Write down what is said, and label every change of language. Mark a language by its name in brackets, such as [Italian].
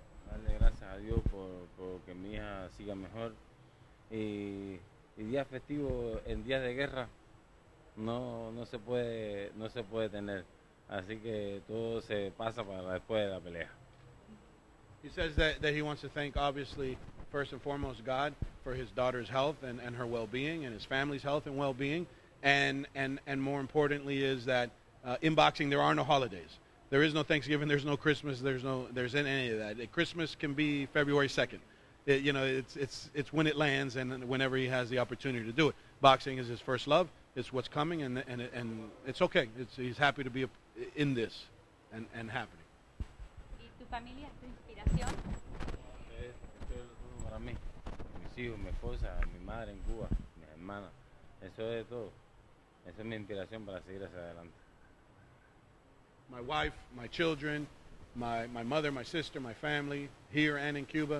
[Spanish] Darle gracias a Dios por que mi hija siga mejor. Y día festivo en días de guerra no se puede tener. Así que todo se pasa para después de la pelea. [English] He says that he wants to thank, obviously, first and foremost, God for his daughter's health and her well-being and his family's health and well-being. And more importantly is that in boxing, there are no holidays. There is no Thanksgiving. There's no Christmas. There's any of that. Christmas can be February 2nd. It's when it lands and whenever he has the opportunity to do it. Boxing is his first love. It's what's coming, and it's okay. He's happy to be in this and happening. [Spanish] ¿Y tu familia, tu inspiración? Eso es todo para mí. Mis hijos, mi esposa, mi madre en Cuba, mi hermana. Eso es todo. Esa es mi inspiración para seguir hacia adelante. [English] My wife, my children, my mother, my sister, my family, here and in Cuba.